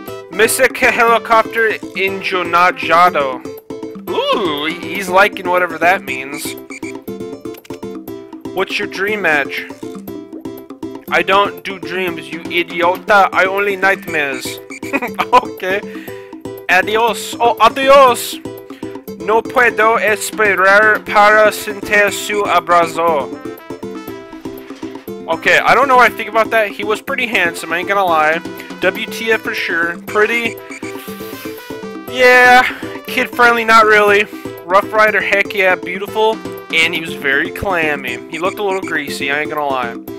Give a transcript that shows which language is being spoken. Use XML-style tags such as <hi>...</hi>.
<en>Misica helicopter injonajado. Ooh, he's liking whatever that means. What's your dream match? I don't do dreams, you idiota. I only nightmares. Okay. Adios. Oh, adios.</en> <es>No puedo esperar para sentir su abrazo.</es> <en>Okay, I don't know what I think about that. He was pretty handsome, I ain't gonna lie. WTF for sure. Pretty. Yeah. Kid friendly, not really. Rough Rider, heck yeah, beautiful. And he was very clammy. He looked a little greasy, I ain't gonna lie.</en>